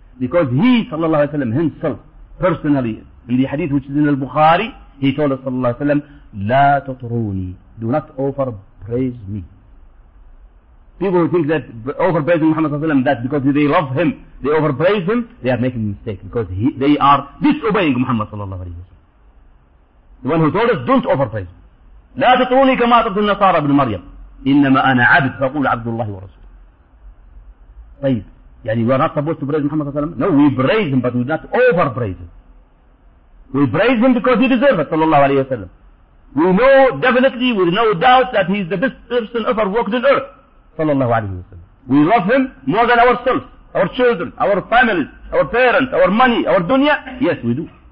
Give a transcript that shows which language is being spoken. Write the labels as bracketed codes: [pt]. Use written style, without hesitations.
[en] Because he sallallahu alayhi wa sallam himself, personally, in the hadith which is in al-Bukhari, he told us sallallahu alayhi wa sallam, [ar] لَا تَطْرُونِي, [en] do not offer praise me. People who think that overpraising Muhammad sallallahu alayhi wa sallam, that because they love him, they overpraise him, they are making a mistake because they are disobeying Muhammad sallallahu alayhi wa sallam. The one who told us, don't overpraise him. [ar] لا تطروني كما طرت النصارى ابن مريم. إنما أنا عبد فقول عبد الله ورسول. طيب, [en] يعني we are not supposed to praise Muhammad sallallahu alayhi wa sallam. No, we praise him, but we not overpraise him. We praise him because he deserves it, sallallahu alayhi wa sallam. We know definitely, with no doubt, that he is the best person ever walked on earth, sallallahu alayhi wa sallam. We love him more than ourselves, our children, our families, our parents, our money, our dunya. Yes, we do.